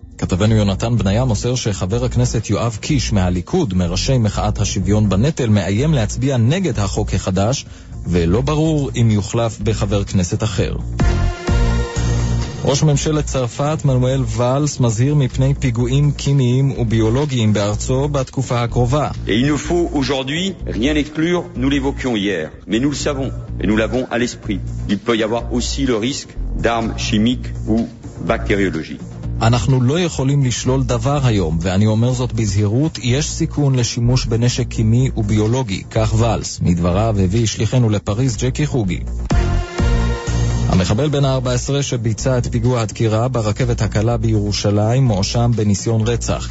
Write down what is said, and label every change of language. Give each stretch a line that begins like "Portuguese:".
Hebrew: כתבנו יונתן בניה מוסר שחבר הכנסת יואב קיש מהליכוד, מראשי מחאת השוויון בנטל, מאיים להצביע נגד החוק החדש, ולא ברור אם יוחלף בחבר כנסת אחר. ראש ממשלת צרפת מנואל ואלס מזהיר מפני פיגועים כימיים וביולוגיים בארצו בתקופה הקרובה.
French: Et il ne faut aujourd'hui rien exclure, nous l'évoquions hier, mais nous le savons et nous l'avons à l'esprit. Il peut y avoir aussi le risque d'armes chimiques ou bactériologiques.
Hebrew: אנחנו לא יכולים לשלול דבר היום, ואני אומר זאת בזהירות, יש סיכון לשימוש בנשק כימי וביולוגי, כך ואלס, מדבריו הביא שליחנו לפריז ג'קי חוגי. המחבל בן ה-14 שביצע את פיגוע הדקירה ברכבת הקלה בירושלים מואשם בניסיון רצח.